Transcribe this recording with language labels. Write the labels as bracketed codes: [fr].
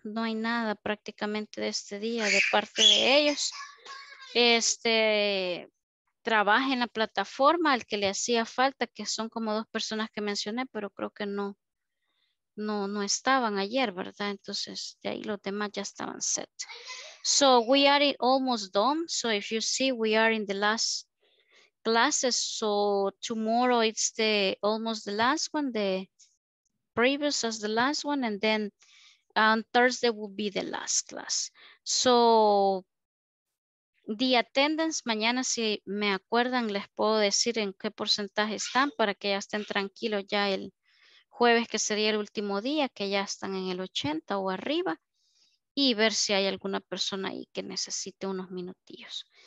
[es] No hay nada prácticamente de este día de parte de ellos. Este, trabaja en la plataforma al que le hacía falta, que son como dos personas que mencioné, pero creo que no, no, no estaban ayer, ¿verdad? Entonces, de ahí los demás ya estaban set. [en] So, we are almost done. So, if you see, we are in the last classes. So, tomorrow it's the almost the last one, the previous as the last one, and then on Thursday will be the last class. So, the attendance, [es] mañana si me acuerdan, les puedo decir en qué porcentaje están para que ya estén tranquilos ya el jueves, que sería el último día, que ya están en el 80 o arriba, y ver si hay alguna persona ahí que necesite unos minutillos.